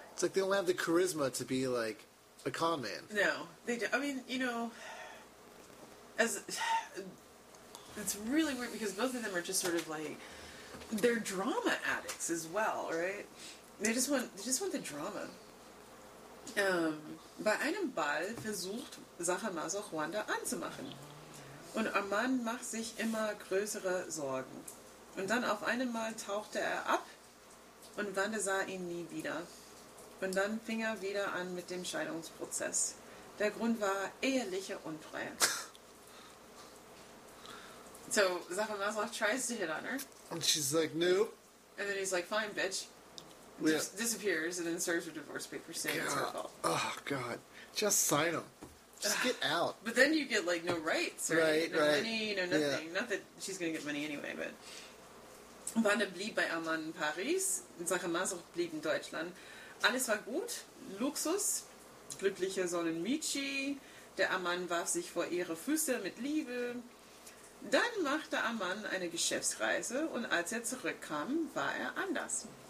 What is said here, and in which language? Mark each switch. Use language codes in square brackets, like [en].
[en] It's like they don't have the charisma to be, like, a con man. No. They do. I mean, you know, it's really weird because both of them are just sort of, like, they're drama addicts as well, right? They just want the drama. [de] Bei einem Ball versucht Zahra Maslow Wanda anzumachen. Und Armand macht sich immer größere Sorgen. Und dann auf einmal tauchte er ab. Und Wanda sah ihn nie wieder. Und dann fing er wieder an mit dem Scheidungsprozess. Der Grund war eheliche Untreue. [en] So, Zahra Maslow tries to hit on her. And she's like, nope. And then he's like, fine, bitch. Just disappears and then serves her divorce paper saying it's her fault. Oh, God. Just sign them. Just get out. But then you get, like, no rights, right? No money, no nothing. Yeah. Not that she's going to get money anyway, but... [de] Wanda blieb bei Armand in Paris, Zahra Maslow blieb in Deutschland. Alles war gut, Luxus, glückliche Sonnen Michi, der Armand warf sich vor ihre Füße mit Liebe. Dann machte Armand eine Geschäftsreise und als er zurückkam, war er anders.